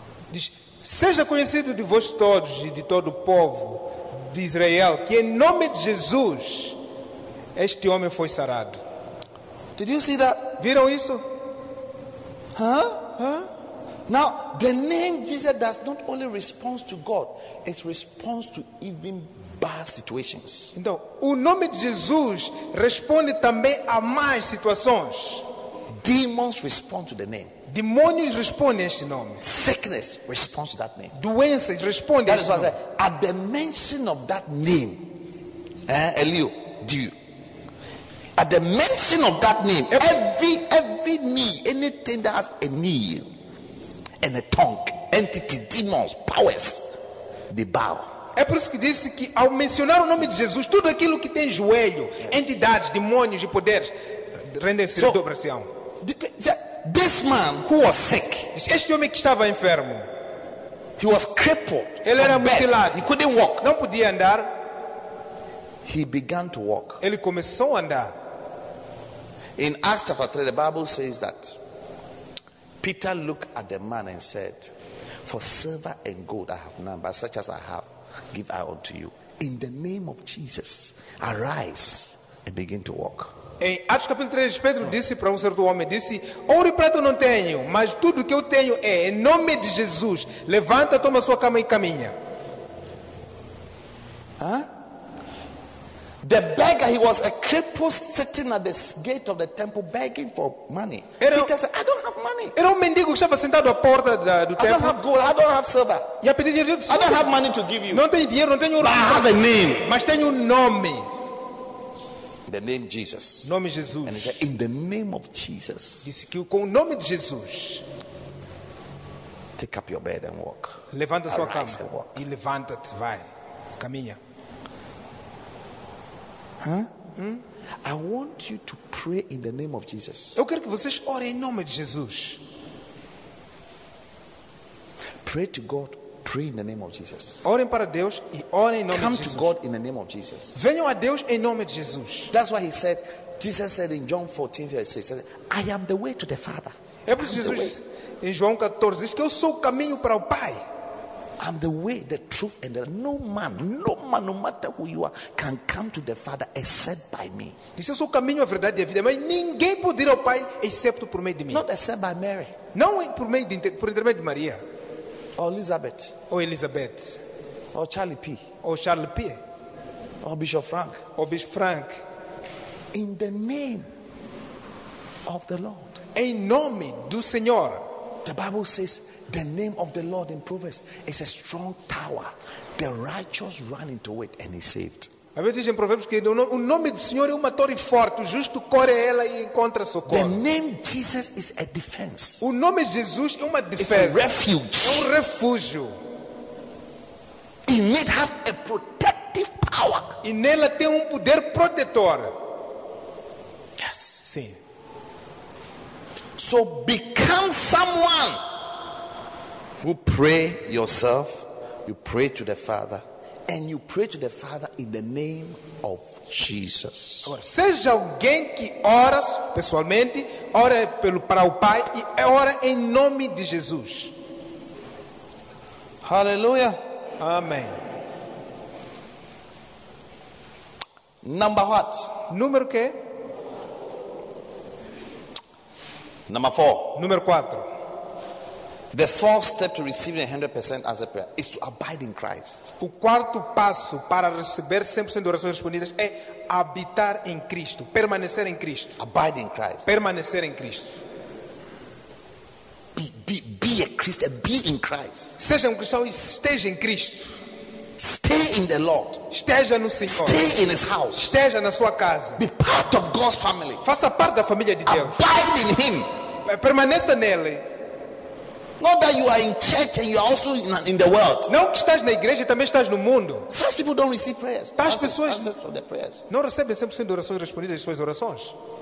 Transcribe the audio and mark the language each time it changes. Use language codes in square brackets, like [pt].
[pt] Diz, seja conhecido de vós todos e de todo o povo de Israel que em nome de Jesus este homem foi sarado. [en] Did you see that? [pt] Viram isso? Huh? Huh? [en] Now the name Jesus does not only respond to God; it responds to even bad situations. [pt] Então, o nome de Jesus responde também a más situações. [en] Demons respond to the name. [pt] Demônios respondem a este nome. [en] Sickness responds to that name. [pt] Doenças respondem a este nome. [en] At the mention of that name, Elio, do you? At the mention of that name, every knee, anything that has a knee and a tongue, entity, demons, powers, they bow. [pt] É por isso que disse que ao mencionar o nome de Jesus, tudo aquilo que tem joelho, entidades, demônios e poderes, rendem-se e dobram-se-ão. [en] This man who was sick. [pt] Este homem que estava enfermo. [en] He was crippled. [pt] Ele era mutilado. [en] He couldn't walk. [pt] Não podia andar. [en] He began to walk. [pt] Ele começou a andar. [en] In Acts chapter 3, the Bible says that Peter looked at the man and said, "For silver and gold I have none, but such as I have, give I unto you. In the name of Jesus, arise and begin to walk." [pt] Em Atos capítulo 3, Pedro disse para um certo homem, disse, ouro e prata não tenho, mas tudo que eu tenho é, em nome de Jesus, levanta, toma sua cama e caminha. Huh? [en] The beggar, he was a cripple sitting at the gate of the temple begging for money. Peter said, I don't have money. [pt] Era um mendigo que estava sentado à porta do templo. [en] I don't have gold, I don't have silver. [pt] E a pedir dinheiro, [en] I don't have money to give you. [pt] Não tenho dinheiro, não tenho ouro. [en] But I have a name. [pt] Mas tenho nome. [en] The name Jesus. [pt] Nome Jesus. [en] And he said, in the name of Jesus. [pt] Disse que com o nome de Jesus. [en] Take up your bed and walk. [pt] Levanta sua [en] Arise [pt] cama. E levanta-te, vai. Caminha. Huh? Hmm? [en] I want you to pray in the name of Jesus. [pt] Eu quero que vocês orem em nome de Jesus. [en] Pray to God. Pray in the name of Jesus. [pt] Orem para Deus e orem em nome [en] Come [pt] de Jesus. [en] To God in the name of Jesus. [pt] Venham a Deus em nome de Jesus. [en] That's why he said, Jesus said in John 14, verse 6, I am the way to the Father. [pt] É por isso Jesus disse, em João 14, diz que eu sou o caminho para o Pai. [en] I'm the way, the truth, and the no man, no matter who you are, can come to the Father except by me. [pt] Disse, eu sou o caminho, a verdade e a vida, mas ninguém pode ir ao Pai excepto por meio de mim. [en] Not except by Mary. [pt] Não por meio de, por intermédio de Maria. [en] Or Elizabeth. [pt] Ou Elizabeth. [en] Or Charlie P. [pt] Ou Charles P. [en] Or Bishop Frank. [pt] Ou Bishop Frank. [en] In the name of the Lord. [pt] Em nome do Senhor. [en] The Bible says, the name of the Lord in Proverbs is a strong tower. The righteous run into it and is saved. [pt] A Bíblia diz em Provérbios que o nome do Senhor é uma torre forte. O justo corre a ela e encontra socorro. [en] The name Jesus is a defense. [pt] O nome de Jesus é uma defesa. [en] It's a refuge. [pt] É refúgio. [en] In it has a protective power. [pt] E nela tem poder protetor. [en] Yes. [pt] Sim. [en] So become someone who pray yourself, you pray to the Father. And you pray to the Father in the name of Jesus. [pt] Agora, seja alguém que ora pessoalmente, ora pelo para o Pai e ora em nome de Jesus. [en] Hallelujah. [pt] Amém. [en] Number what? [pt] Número que? [en] Number four. [pt] Número 4. [en] The fourth step to receiving 100% answered prayer is to abide in Christ. [pt] O quarto passo para receber 100% de orações respondidas é habitar em Cristo, permanecer em Cristo. [en] Abide in Christ. [pt] Permanecer em Cristo. [en] Be a Christian, be in Christ. [pt] Seja cristão e esteja em Cristo. [en] Stay in the Lord. [pt] Esteja no Senhor. [en] Stay in His house. [pt] Esteja na sua casa. [en] Be part of God's family. [pt] Faça parte da família de Deus. [en] Abide in Him. [pt] Permaneça nele. [en] Not that you are in church and you are also in the world. [pt] Não que estás na igreja e também estás no mundo. [en] Such people don't receive prayers. [pt] Tais pessoas [en] prayers. [pt] Não recebem 100% de orações respondidas às suas orações.